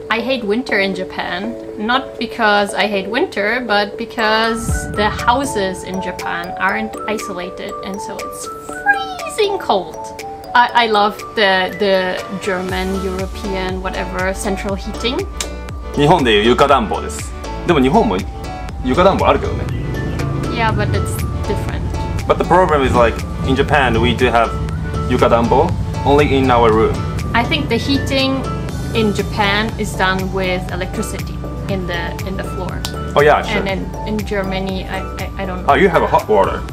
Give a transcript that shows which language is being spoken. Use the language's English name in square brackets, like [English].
[English] I hate winter in Japan. Not because I hate winter, but because the houses in Japan aren't isolated. And so it's freezing cold. I love the German, European, whatever, central heating. [Japanese] 日本でいう床暖房です。でも日本も床暖房あるけどね。 [English] Yeah, but it's different. But the problem is like, in Japan, we do have 床暖房 only in our room. I think the heating in Japan is done with electricity in the floor. Oh yeah, sure. And in Germany, I don't know. Oh, you have a hot water.